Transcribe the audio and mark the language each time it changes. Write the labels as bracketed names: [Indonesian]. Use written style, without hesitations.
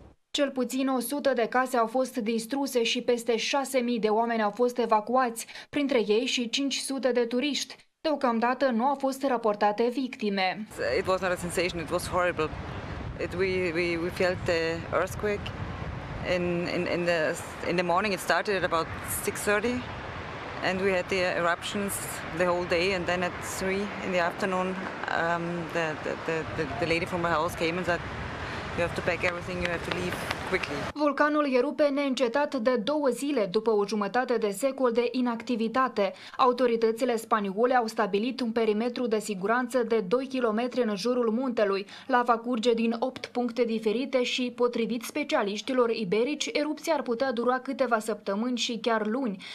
[Romanian] Cel puțin 100 de case au fost distruse și peste 6.000 de oameni au fost evacuați, printre ei și 500 de turiști. Deocamdată nu au fost raportate victime. [English] It was not a sensation, it was horrible. We felt the earthquake in the morning. It started at about 6:30 and we had the eruptions the whole day, and then at 3 in the afternoon the lady from my house came and said you have to pack everything, you have to leave. [Romanian] Vulcanul erupe neîncetat de două zile după o jumătate de secol de inactivitate. Autoritățile spaniole au stabilit un perimetru de siguranță de 2 km în jurul muntelui. Lava curge din 8 puncte diferite și, potrivit specialiștilor iberici, erupția ar putea dura câteva săptămâni și chiar luni.